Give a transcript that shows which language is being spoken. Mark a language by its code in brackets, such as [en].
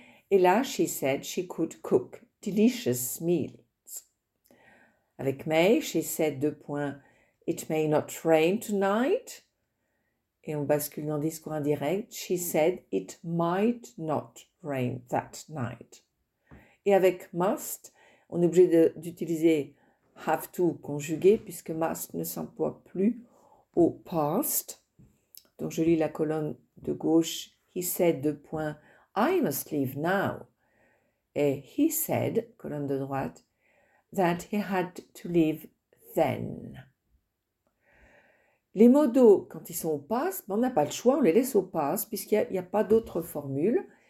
[fr] Et là, [en] she said, she could cook delicious meals. [fr] Avec [en] may, she said, [fr] deux points, [en] it may not rain tonight. [fr] Et on bascule dans le discours indirect, [en] she said, it might not rain that night. [fr] Et avec must, on est obligé d'utiliser have to conjugué, puisque must ne s'emploie plus au past. Donc, je lis la colonne de gauche. [en] He said, [fr] deux points, [en] I must leave now. [fr] Et [en] he said, [fr] colonne de droite, [en] that he had to leave then. [fr] Les mots d'eau, quand ils sont au passe, on n'a pas le choix, on les laisse au passe, puisqu'il n'y a pas d'autre formule.